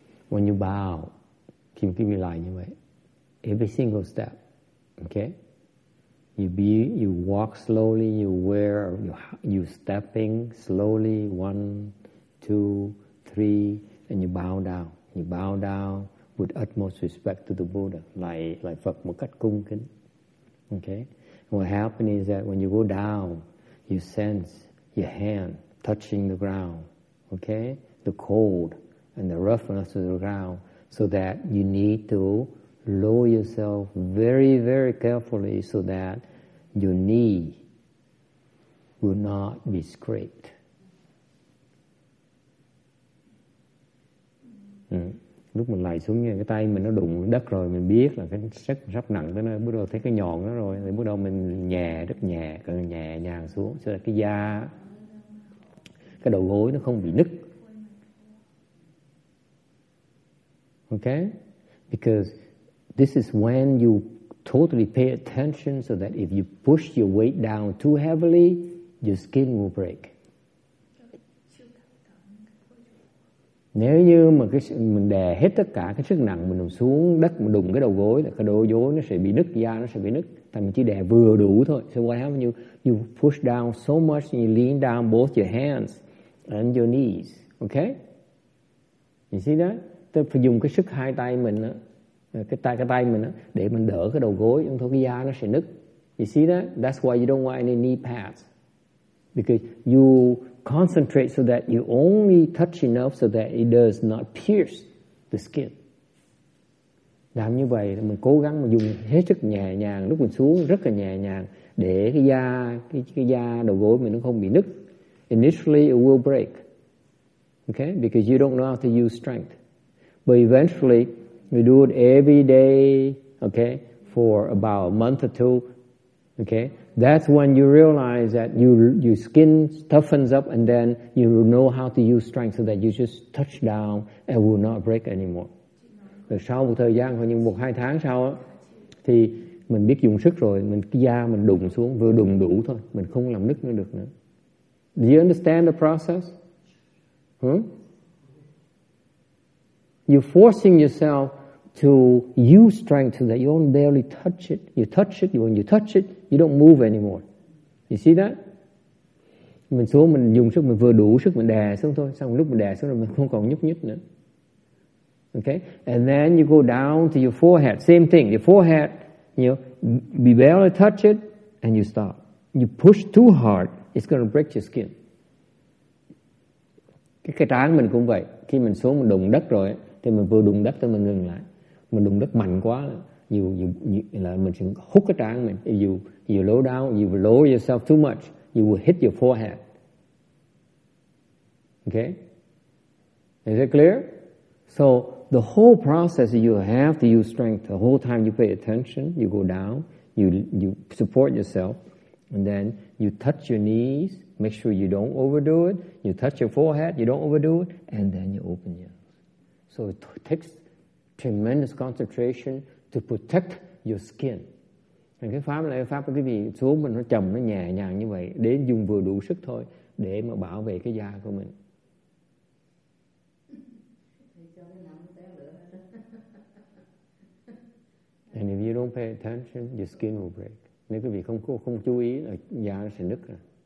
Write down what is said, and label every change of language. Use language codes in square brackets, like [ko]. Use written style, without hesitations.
[en] When you bow, can you lie in way? Every single step, okay? You walk slowly, you stepping slowly, 1, 2, 3, and you bow down. You bow down with utmost respect to the Buddha, like [vi] Phật một cách cung kính. [en] Okay? What happens is that when you go down, you sense your hand touching the ground, okay? The cold and the roughness of the ground, so that you need to lower yourself very, very carefully so that your knee will not be scraped. [vi] Lúc mình lại xuống như cái tay mình nó đụng đất rồi, mình biết là cái sức rất nặng tới nơi, bắt đầu thấy cái nhọn đó rồi, thì bắt đầu mình nhẹ, rất nhẹ, càng nhẹ nhàng xuống cho cái da, cái đầu gối nó không bị nứt. [en] Okay? Because this is when you totally pay attention, so that if you push your weight down too heavily, your skin will break. [vi] Nếu như mà mình đè hết tất cả cái sức nặng mình xuống đất, mình đụng cái đầu gối là cái đầu gối nó sẽ bị nứt, da nó sẽ bị nứt. Thì mình chỉ đè vừa đủ thôi. [en] So what happens? You push down so much, you lean down both your hands and your knees. Okay? You see that? [vi] Tôi phải dùng cái sức hai tay mình đó, cái tay mình đó, để mình đỡ cái đầu gối, không thôi cái da nó sẽ nứt. [en] You see that? That's why you don't want any knee pads. Because you concentrate so that you only touch enough so that it does not pierce the skin. [vi] Làm như vậy là mình cố gắng mình dùng hết sức nhẹ nhàng, lúc mình xuống rất là nhẹ nhàng, để cái da đầu gối mình nó không bị nứt. [en] Initially it will break. Okay? Because you don't know how to use strength. But eventually, we do it every day, okay, for about a month or two, okay? That's when you realize that your skin toughens up, and then you know how to use strength so that you just touch down and will not break anymore. [vi] Rồi sau một thời gian, khoảng như 1-2 tháng sau, thì mình biết dùng sức rồi, cái da mình đụng xuống, vừa đụng đủ thôi, mình không làm nứt nữa được nữa. [en] Do you understand the process? You're forcing yourself to use strength so that you only barely touch it. You touch it, when you touch it, you don't move anymore. You see that? [vi] Mình xuống, mình dùng sức, mình vừa đủ sức, mình đè xuống thôi. Xong lúc mình đè xuống rồi, mình không còn nhúc nhích nữa. [en] Okay? And then you go down to your forehead. Same thing. Your forehead, you know, you barely touch it, and you stop. You push too hard, it's going to break your skin. [vi] Cái trán mình cũng vậy. Khi mình xuống, mình đụng đất rồi, thì mình vừa đụng đất thì mình ngừng lại. Mình đụng đất mạnh quá là mình sẽ hút cái trán mình. [en] You low down, you lower yourself too much, you will hit your forehead. Okay? Is it clear? So the whole process, you have to use strength the whole time. You pay attention, you go down, you support yourself, and then you touch your knees, make sure you don't overdo it. You touch your forehead, you don't overdo it, and then you open your. So it takes tremendous concentration to protect your skin. [vi] And cái pháp là cái pháp cái gì xuống mình nó chậm, nó nhẹ nhàng như vậy, đến dùng vừa đủ sức thôi để mà bảo vệ cái da của mình. [en] And if you don't pay attention, your skin will break. [vi] Nếu quý vị không chú ý là da nó sẽ nứt rồi.